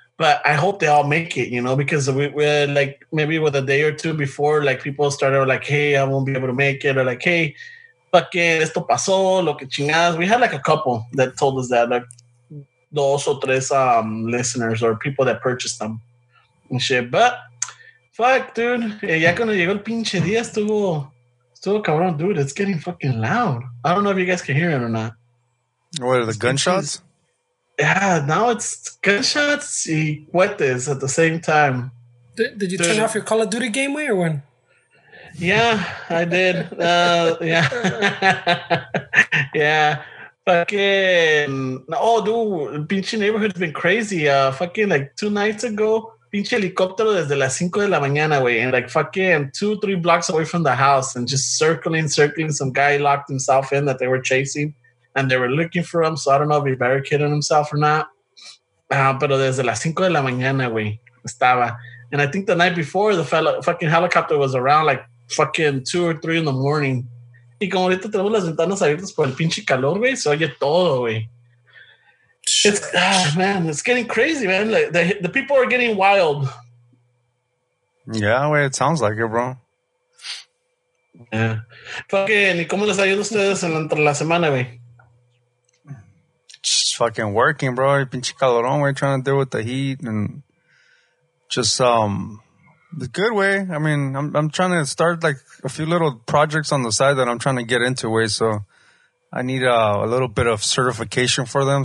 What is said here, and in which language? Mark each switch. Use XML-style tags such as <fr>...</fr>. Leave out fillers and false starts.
<en>But I hope they all make it, you know, because we're like, maybe with a day or two before, like, people started like, hey, I won't be able to make it. Or like, hey, fucking,</en> <es>esto pasó, lo que chingadas.</es> <en>We had like a couple that told us that, like,</en> <es>dos o tres</es> <en>listeners or people that purchased them and shit. But, fuck, dude,</en> <es>ya cuando llegó el pinche día, estuvo cabrón,</es> <en>dude, it's getting fucking loud. I don't know if you guys can hear it or not. What, are the gunshots? Yeah, now it's gunshots and cuetes at the same time. Did you turn off your Call of Duty game way or when? Yeah, I did. yeah. Yeah. Fucking. Oh, dude. Pinche neighborhood's been crazy. Fucking like 2 nights ago,</en> <es>pinche helicóptero desde las 5 de la mañana, way.</es> <en>And like fucking 2-3 blocks away from the house and just circling. Some guy locked himself in that they were chasing. And they were looking for him, so I don't know if he barricaded himself or not.</en> <es>Pero desde las 5 de la mañana, güey, estaba.</es> <en>And I think the night before, the fucking helicopter was around like fucking 2 or 3 in the morning.</en> <es>Y como ahorita tenemos las ventanas abiertas por el pinche calor, güey, se oye todo, güey.</es> <en>Man, it's getting crazy, man. Like, the people are getting wild. Yeah, güey, it sounds like it, bro. Yeah.</en> <es>Fucking, ¿y cómo les ayudan ustedes entre la semana, güey?</es> <en>Just fucking working, bro.</en> <es>Pinche calorón,</es> <en>we're trying to deal with the heat and just the good way. I mean, I'm trying to start like a few little projects on the side that I'm trying to get into, way. So I need a little bit of certification for them.</en>